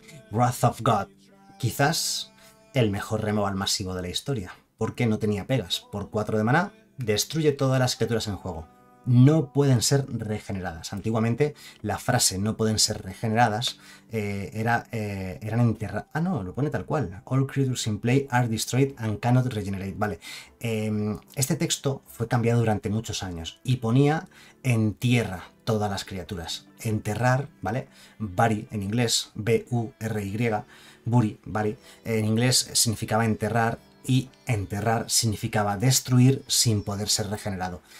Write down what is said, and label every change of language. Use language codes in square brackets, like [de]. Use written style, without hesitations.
[es] Wrath of God, quizás el mejor removal masivo de la historia, porque no tenía pegas. Por 4 de maná, destruye todas las criaturas en juego. No pueden ser regeneradas. Antiguamente, la frase no pueden ser regeneradas eran enterradas. Ah, no, lo pone tal cual. [en] All creatures in play are destroyed and cannot regenerate. [es] Vale. Este texto fue cambiado durante muchos años y ponía en tierra todas las criaturas. Enterrar, ¿vale? Bury en inglés, B-U-R-Y. Bury, Bury, en inglés significaba enterrar. Y enterrar significaba destruir sin poder ser regenerado.